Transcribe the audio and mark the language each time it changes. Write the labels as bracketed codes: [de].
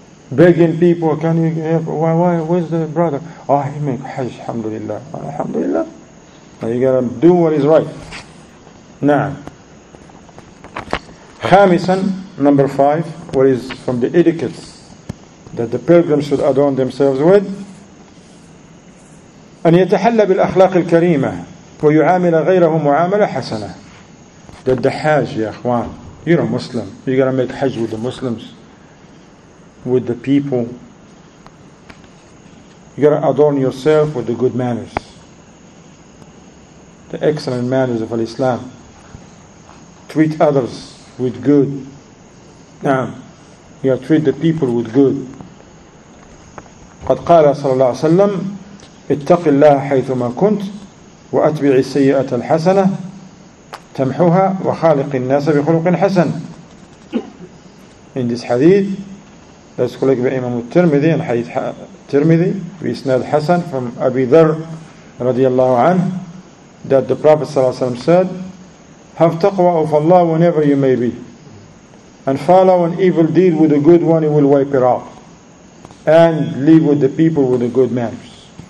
[en] Begging people, can you help? Why? Where's the brother? Oh, he make hajj, alhamdulillah. Alhamdulillah. Now you gotta do what is right. Na'am. Khamisan, number five, what is from the etiquettes that the pilgrims should adorn themselves with? [ar] أن يتحلى بالأخلاق الكريمة ويعامل غيره معاملة حسنة. [en] That the hajj, ya akhwan, you're a Muslim. You gotta make hajj with the Muslims, with the people. You gotta adorn yourself with the good manners, the excellent manners of Islam. Treat others with good. You gotta treat the people with good. [ar] قد قال صلى الله عليه وسلم اتق الله حيثما كنت واتبع السيئه الحسنه تمحوها وخالق الناس بخلق حسن. [en] In this hadith, that's collected by Imam al-Tirmidhi and Hadith Tirmidhi, with Isnad Hasan from Abi Dharr radiallahu anhu, that the Prophet sallallahu alaihi wasallam said, have taqwa of Allah whenever you may be, and follow an evil deed with a good one, he will wipe it off, and live with the people with a good manners.